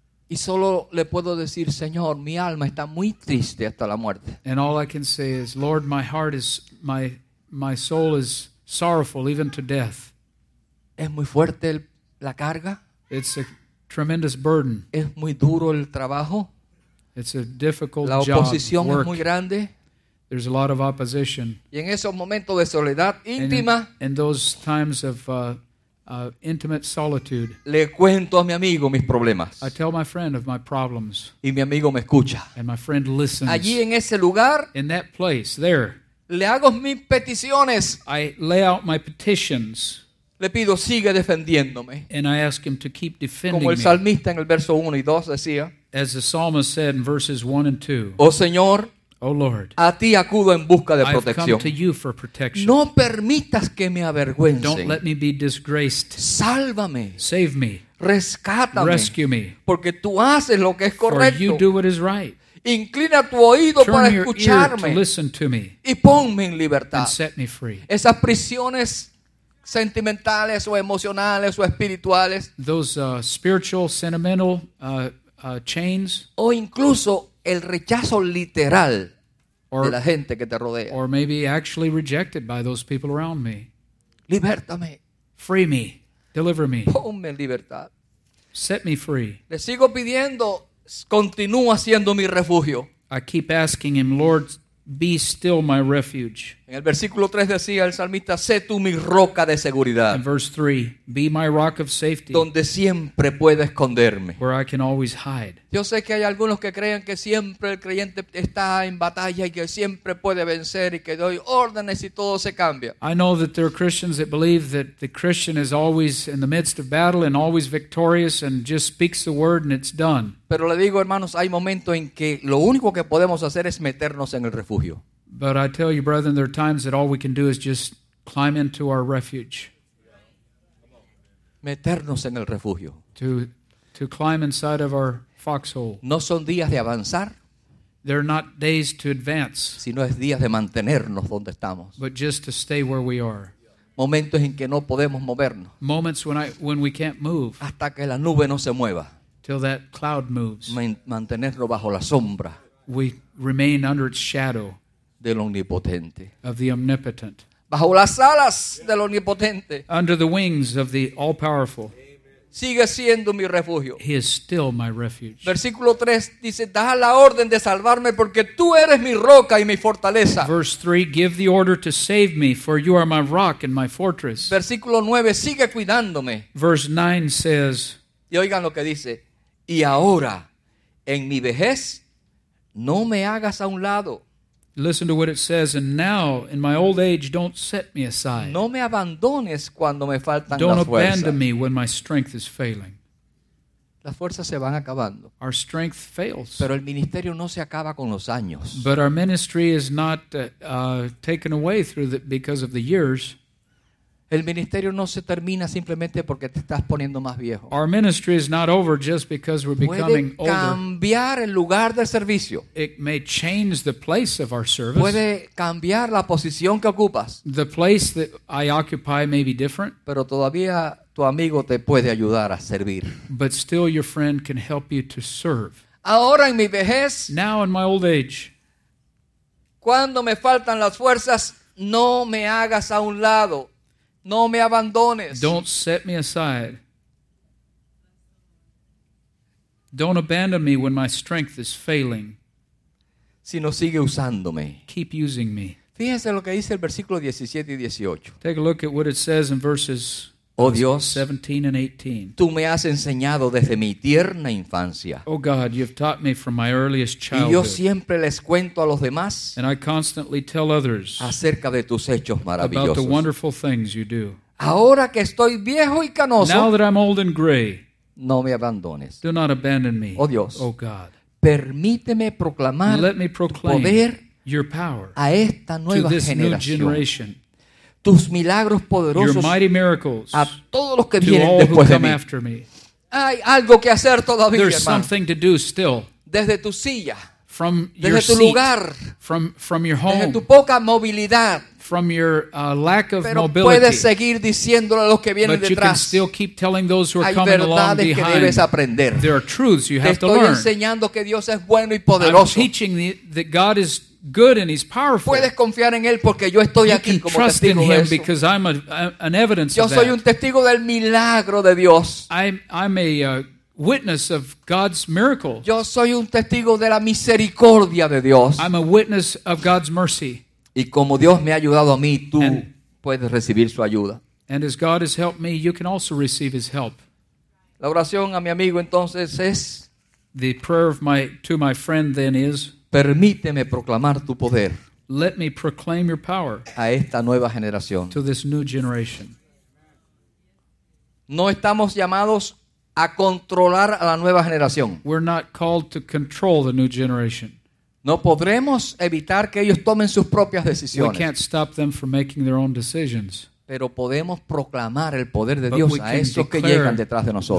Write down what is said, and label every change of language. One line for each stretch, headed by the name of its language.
Spanish: Y solo le puedo decir, Señor, mi alma está muy triste hasta la muerte.
English: And all I can say is, Lord, my heart is, my soul is sorrowful even to death.
Spanish: Es muy fuerte la carga.
English: It's a tremendous burden.
Spanish: Es muy duro el trabajo.
English: It's a difficult job.
Spanish: La oposición
English: job,
Spanish: es muy grande.
English: There's a lot of opposition.
Spanish: Y en esos momentos de soledad íntima,
English: in those times of intimate solitude,
Spanish: le cuento a mi amigo mis problemas.
English: I tell my friend of my problems.
Spanish: Y mi amigo me escucha.
English: And my friend listens.
Spanish: Allí en ese lugar,
English: in that place, there,
Spanish: le hago mis peticiones.
English: I lay out my petitions.
Spanish: Le pido, sigue defendiéndome.
English: And I ask him to keep defending me.
Spanish: Como el salmista en el verso 1 y 2 decía,
English: as the psalmist said in verses 1 and 2,
Spanish: oh Señor,
English: oh Lord,
Spanish: a ti acudo en busca de protección.
English: I've come to you for protection.
Spanish: No permitas que me avergüence.
English: Don't let me be disgraced.
Spanish: Sálvame.
English: Save me.
Spanish: Rescátame.
English: Rescue me.
Spanish: Porque tú haces lo que es correcto.
English: For you do what is right.
Spanish: Inclina tu oído
English: turn
Spanish: para escucharme.
English: Your ear to listen to me.
Spanish: Y ponme en libertad.
English: And set me free.
Spanish: Esas prisiones sentimentales o emocionales o espirituales.
English: Those spiritual, sentimental chains.
Spanish: O incluso el rechazo literal de la gente que te rodea.
English: Or maybe actually rejected by those people around me.
Spanish: Libertame.
English: Free me. Deliver me.
Spanish: Ponme en libertad.
English: Set me free.
Spanish: Le sigo pidiendo, continúa siendo mi refugio.
English: I keep asking him, Lord, be still my refuge.
Spanish: En el versículo 3 decía el salmista, sé tú mi roca de seguridad.
English: In verse 3, be my rock of safety.
Spanish: Donde siempre puedo esconderme.
English: Where I can always hide.
Spanish: Yo sé que hay algunos que creen que siempre el creyente está en batalla y que siempre puede vencer y que doy órdenes y todo se cambia.
English: I know that there are Christians that believe that the Christian is always in the midst of battle and always victorious and just speaks the word and it's done.
Spanish: Pero le digo, hermanos, hay momentos en que lo único que podemos hacer es meternos en el refugio.
English: But I tell you, brethren, there are times that all we can do is just climb into our refuge.
Spanish: Meternos en el refugio.
English: To climb inside of our foxhole.
Spanish: No son días de avanzar.
English: They're not days to advance.
Spanish: Sino es días de mantenernos donde estamos.
English: But just to stay where we are.
Spanish: Momentos en que no podemos movernos.
English: Moments when we can't move.
Spanish: Hasta que la nube no se mueva.
English: Till that cloud moves.
Spanish: Mantenernos bajo la sombra.
English: We remain under its shadow.
Spanish: Del omnipotente.
English: Of the omnipotent.
Spanish: Bajo las alas del omnipotente.
English: Under the wings of the all powerful.
Spanish: Sigue siendo mi refugio.
English: He is still my refuge.
Spanish: Versículo 3 dice, da la orden de salvarme porque tú eres mi roca y mi fortaleza.
English: Verse 3, give the order to save me for you are my rock and my fortress.
Spanish: Versículo 9, sigue cuidándome.
English: Verse 9 says,
Spanish: y oigan lo que dice, y ahora en mi vejez no me hagas a un lado.
English: Listen to what it says, and now, in my old age, don't set me aside.
Spanish: No me abandones cuando me faltan las fuerzas.
English: Don't abandon me when my strength is failing.
Spanish: Las fuerzas se van acabando.
English: Our strength fails.
Spanish: Pero el ministerio no se acaba con los años.
English: But our ministry is not taken away through because of the years.
Spanish: El ministerio no se termina simplemente porque te estás poniendo más viejo.
English: Our ministry is not over just because we're becoming older.
Spanish: Puede cambiar el lugar de servicio.
English: It may change the place of our service.
Spanish: Puede cambiar la posición que ocupas.
English: The place that I occupy may be different.
Spanish: Pero todavía tu amigo te puede ayudar a servir.
English: But still your friend can help you to serve.
Spanish: Ahora en mi vejez.
English: Now in my old age.
Spanish: Cuando me faltan las fuerzas, no me hagas a un lado. No me abandones.
English: Don't set me aside. Don't abandon me when my strength is failing.
Spanish: Sino sigue usándome.
English: Keep using me.
Spanish: Fíjense lo que dice el versículo 17 y 18.
English: Take a look at what it says in verses
Spanish: oh Dios,
English: 17 and 18.
Spanish: Tú me has enseñado desde mi tierna infancia.
English: Oh God, you've taught me from my earliest childhood.
Spanish: Y yo siempre les cuento a los demás.
English: And I constantly tell others.
Spanish: Acerca de tus hechos maravillosos.
English: About the wonderful things you do.
Spanish: Ahora que estoy viejo y canoso.
English: Now that I'm old and gray.
Spanish: No me abandones.
English: Do not abandon me.
Spanish: Oh Dios.
English: Oh God.
Spanish: Permíteme proclamar.
English: Let me proclaim
Spanish: poder
English: your power.
Spanish: A esta nueva
English: to this
Spanish: generación.
English: New generation.
Spanish: Tus milagros poderosos
English: miracles,
Spanish: a todos los que vienen después de mí. Hay algo que hacer todavía,
English: there's
Spanish: hermano.
English: Something to do still.
Spanish: Desde tu silla.
English: From
Spanish: desde tu
English: seat,
Spanish: lugar.
English: From your home.
Spanish: Desde tu poca movilidad.
English: from your lack of
Spanish: Pero
English: mobility.
Spanish: Puedes seguir diciéndole a los que vienen
English: but you
Spanish: detrás.
English: Can still keep telling those who are
Spanish: Hay
English: coming
Spanish: verdades
English: along behind.
Spanish: Que debes aprender.
English: There are truths you have
Spanish: Te estoy
English: to learn.
Spanish: Enseñando que Dios es bueno y poderoso.
English: I'm teaching that God is good and he's powerful.
Spanish: Puedes confiar en él porque yo estoy
English: you
Spanish: aquí
English: can
Spanish: como
English: trust
Spanish: testigo
English: in him
Spanish: de eso.
English: Because I'm an evidence
Spanish: yo
English: of that.
Spanish: Yo soy un testigo del milagro de Dios.
English: I'm a witness of God's miracle.
Spanish: Yo soy un testigo de la misericordia de Dios.
English: I'm a witness of God's mercy.
Spanish: Y como Dios me ha ayudado a mí, tú puedes recibir su ayuda.
English: And as God has helped me, you can also receive his help.
Spanish: La oración a mi amigo entonces es
English: The prayer of my to my friend then is
Spanish: Permíteme proclamar tu poder.
English: Let me proclaim your power.
Spanish: A esta nueva generación.
English: To this new generation.
Spanish: No estamos llamados a controlar a la nueva generación.
English: We're not called to control the new generation.
Spanish: No podremos evitar que ellos tomen sus propias decisiones.
English: We can't stop them from making their own decisions.
Spanish: Pero podemos proclamar el poder de Dios a esos que llegan detrás de nosotros.